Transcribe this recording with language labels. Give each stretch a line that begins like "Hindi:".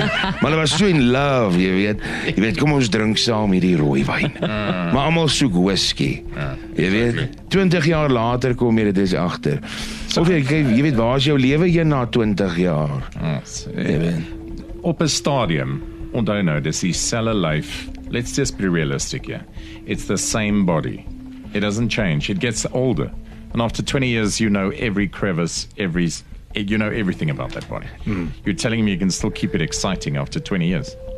Afrikaans: Maar hulle was so in love, jy weet. Jy weet, kom ons drink saam hierdie rooi wyn. Maar almal soek whisky. Jy weet, 20 jaar later kom jy dit eens agter. Of jy weet, waar is jou lewe hier na 20 jaar? Jy weet. Op 'n stadium, onthou nou, dis die selle lyf.
English: Let's just be realistic here. It's the same body. It doesn't change. It gets older. And after 20 years, you know every crevice, you know everything about that body. Mm. You're telling me you can still keep it exciting after 20 years?